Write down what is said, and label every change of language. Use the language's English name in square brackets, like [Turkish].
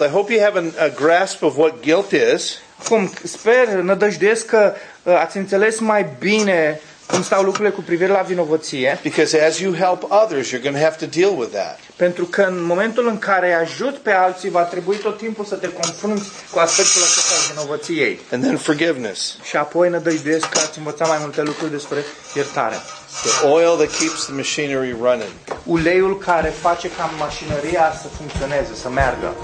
[English] I hope you have a grasp of what guilt is. [Romanian] Cum sper, nădăjduiesc că ați înțeles mai bine cum stau lucrurile cu privire la vinovăție. [English] Because as you help others, you're going to have to deal with that. [Romanian] Pentru că în momentul în care ajut pe alții, va trebui tot timpul să te confrunți cu aspectul acesta al vinovăției. [English] And then forgiveness. [Romanian] Și apoi nădăjduiesc că ați învățat mai multe lucruri despre iertare. [English] The oil that keeps the machinery running. [Romanian] Uleiul care face ca mașinăria să funcționeze, să meargă.